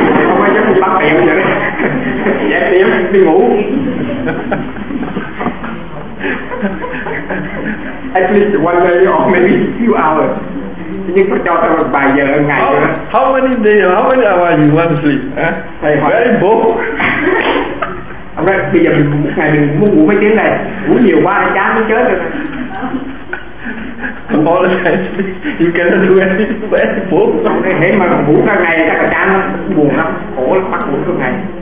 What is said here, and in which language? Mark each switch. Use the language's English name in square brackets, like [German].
[Vietnamese] Không phải chắc tắt đèn vậy. Dạ tiếng đi ngủ. [English] At least one day or maybe few hours. [Vietnamese] Nhưng có cho tôi một vài giờ một ngày nữa. [English] How many days or how many hours you want to sleep? [Vietnamese] Thầy hỏi. [English] Very bold. [Vietnamese] Ông nói bây giờ mình một ngày mình muốn ngủ mấy tiếng này. Ngủ nhiều quá thì chán mới chết rồi. [English] All the time, you cannot do anything. Bố, [Vietnamese] thế mà ngủ cả ngày chắc là chán lắm, buồn lắm, khổ lắm, bắt ngủ cả ngày.